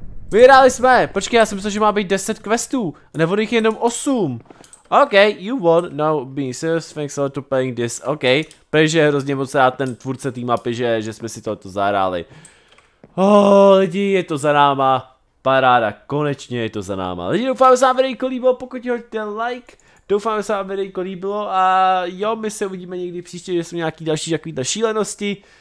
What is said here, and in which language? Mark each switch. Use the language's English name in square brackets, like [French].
[Czech] Vyhráli jsme. Počkej, já jsem myslel, že má být 10 questů. Nebo jich jenom 8. [English] okay, you won, now be serious, thanks a lot to playing this, okay. [Czech] Protože je hrozně moc rád ten tvůrce té mapy, že jsme si tohoto zahráli. Oh, lidi, je to za náma, paráda, konečně je to za náma. Lidi, doufám, že se vám videjko líbilo, pokud hoďte like, doufám, že se vám videjko líbilo a jo, my se uvidíme někdy příště, že jsou nějaký další takovýhle šílenosti.